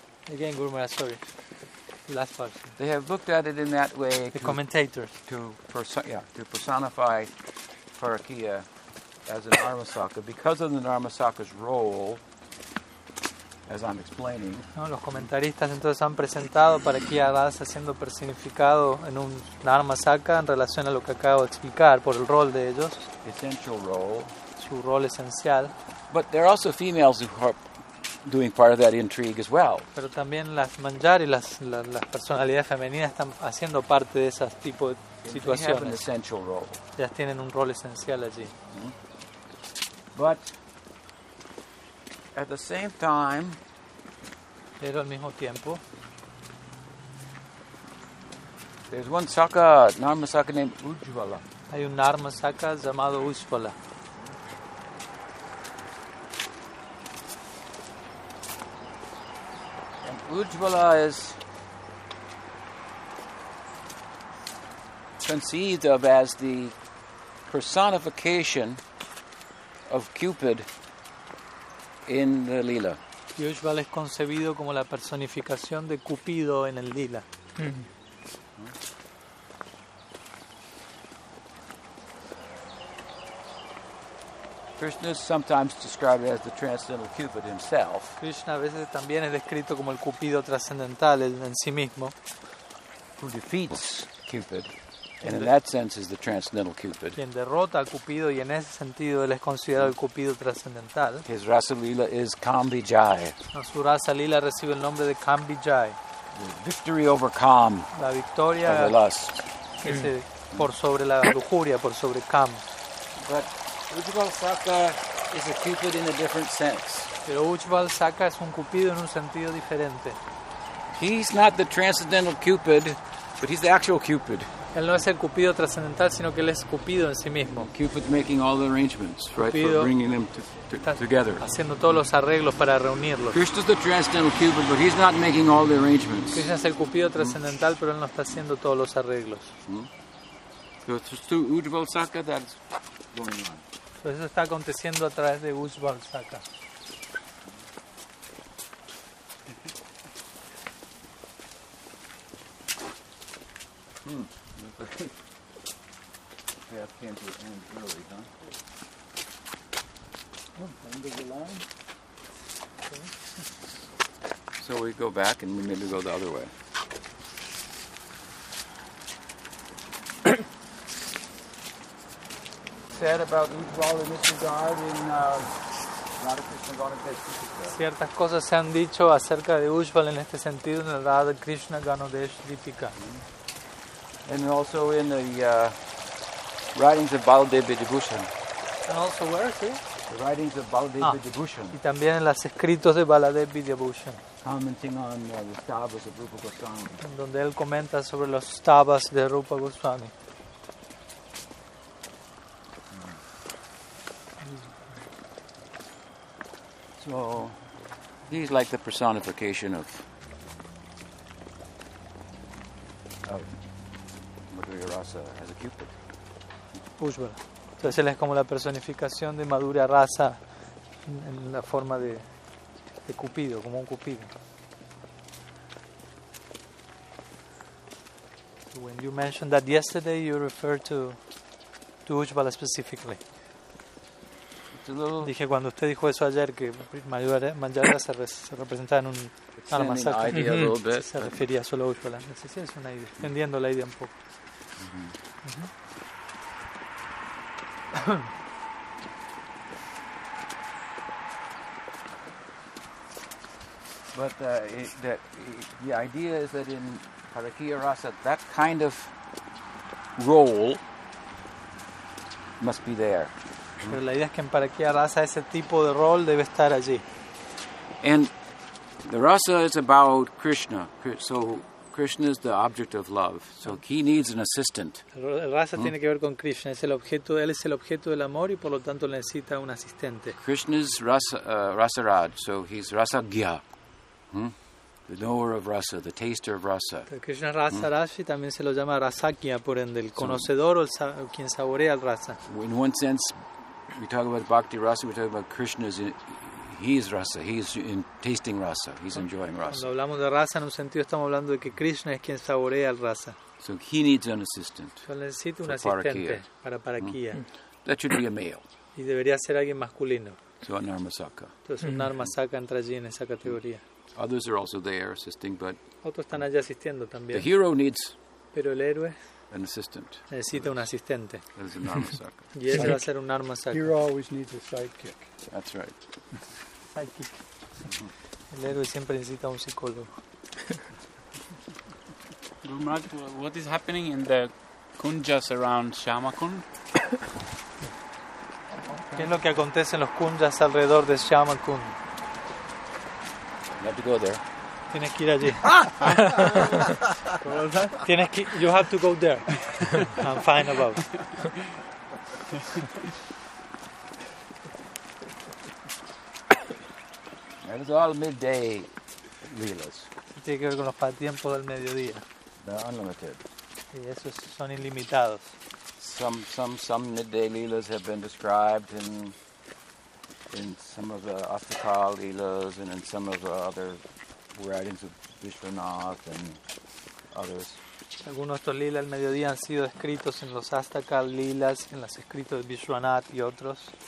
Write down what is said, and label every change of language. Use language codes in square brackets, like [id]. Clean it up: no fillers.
[en] Again, Guru Maharaj, sorry. Last part. They have looked at it in that way. The commentators. To personify Paratiya as a Narmasaka because of the Narmasaka's role. As I'm explaining. [es] No, los comentaristas entonces han presentado para que avance siendo personificado en un Narmasaka en relación a lo que acabo de explicar por el rol de ellos. [en] Essential role. [es] Su rol esencial. [en] But there are also females who are doing part of that intrigue as well. [es] Pero también las manjari, las personalidades femeninas están haciendo parte de ese tipo de situaciones. [en] They have an essential role. [es] Ya tienen un rol esencial allí. [en] But at the same time, [es] pero al mismo tiempo, [en] there's one saka, Narmasaka named Ujjvala. [es] Hay un Narmasaka llamado Ujjvala. [en] And Ujjvala is conceived of as the personification of Cupid. In the lila. [es] Y Ujjvala es concebido como la personificación de Cupido en el lila. [en] Krishna is sometimes described as the transcendental Cupid himself. [es] Krishna a veces también es descrito como el Cupido trascendental en sí mismo. [en] Who defeats Cupid? And in that sense, is the transcendental Cupid. [es] Quien derrota a Cupido y en ese sentido él es considerado el Cupido trascendental. [en] His rasa lila is Kambijai. [es] Su rasa lila recibe el nombre de Kambijai. [en] The victory over Kam. [es] La victoria. [en] Over lust. [es] Por sobre la lujuria, por sobre Kam. [en] But Ujjvala Saka is a Cupid in a different sense. [es] Pero Ujjvala Saka es un Cupido en un sentido diferente. [en] He's not the transcendental Cupid, but he's the actual Cupid. [es] Él no es el Cupido trascendental, sino que él es Cupido en sí mismo. [en] Cupid making all the arrangements, right, [es] Cupido [en] for bringing them together. [es] Haciendo todos los arreglos para reunirlos. [en] Krishna's the transcendental Cupid, but he's not making all the arrangements. [es] Krishna es el Cupido trascendental, pero él no está haciendo todos los arreglos. [en] Through Ujjvala Saka, that's going on. [es] Entonces eso está aconteciendo a través de Ujjvala Saka. [en] Hmm. Okay. Path can't be end early, huh? Oh, end of the line. Okay. So we go back and we maybe go the other way. Said about equality in this regard in Radha-Krishna-Ganadesh-Dipika. [es] Ciertas cosas se han dicho acerca de Ujjval en este sentido en Radha-Krishna-Ganadesh-Dipika. [en] And also in the writings of Baladeva Vidyabhushan. And also where, see? The writings of Baladeva Vidyabhushan. [es] Y también en los escritos de Baladeva Vidyabhushan. [en] Commenting on the stavas of Rupa Goswami. [es] Donde él comenta sobre los stavas de Rupa Goswami. [en] So he's like the personification of Madhurya Rasa as a Cupid. Ujjval. [es] Entonces él es como la personificación de Madhurya Rasa en la forma de Cupido, como un Cupido. [en] So when you mentioned that yesterday, you referred to Ujjval specifically. [es] Dije cuando usted dijo eso ayer que Manjara se representaba en un alma sacra, se refería solo a Ujjvala. Sí, sí, es una idea, entendiendo la idea un poco. [en] But the idea is that in Parakiya Rasa, that kind of role must be there. [es] Pero la idea es que en Parakiya Rasa ese tipo de rol debe estar allí. [en] And the rasa is about Krishna, so Krishna is the object of love, so he needs an assistant. [es] El rasa tiene que ver con Krishna, es el objeto, él es el objeto del amor y por lo tanto necesita un asistente. [en] Krishna is rasa raj, so he's rasa gya, the knower of rasa, the taster of rasa. [es] Krishna rasa raj y también se lo llama rasakya, por ende el conocedor o quien saborea el rasa. [en] In one sense, we talk about bhakti rasa, we talk about Krishna's, he is rasa, he is in tasting rasa, he's enjoying rasa. [es] Cuando hablamos de rasa, en un sentido estamos hablando de que Krishna es quien saborea el rasa. [en] So he needs an assistant. [es] So necesita un asistente para Parakiya. [en] That should be a male. [es] Y debería ser alguien masculino. [en] So a Narmasaka. [es] Entonces un Narmasaka entra allí en esa categoría. [en] Others are also there assisting, but [es] otros están allí asistiendo también. [en] The hero needs. [es] Pero el héroe. [en] An assistant. [es] Necesita un asistente. [en] That is an Narmasaka. [es] Y ese va a ser un Narmasaka. [en] Hero always needs a sidekick. That's right. [es] Sidekick. El héroe siempre necesita un psicólogo. [en] Gurumaraj, what is happening in the kunjas around Shyamakund? [es] ¿Qué es lo que acontece en los kunjas alrededor de Shyamakund? [en] You have to go there. [es] Tienes que ir allí. Tienes que, [en] you have to go there. I'm fine about it. That is all midday leelas. [es] Tiene que ver con los pasatiempos del mediodía. [en] They're unlimited. [es] Y esos son ilimitados. [en] Some midday leelas have been described in some of the Astakal leelas and in some of the other writings of Vishwanath and others. [es] Algunos de estos lilas al mediodía han sido escritos en los Astakal lilas, en los escritos de Vishwanath y otros.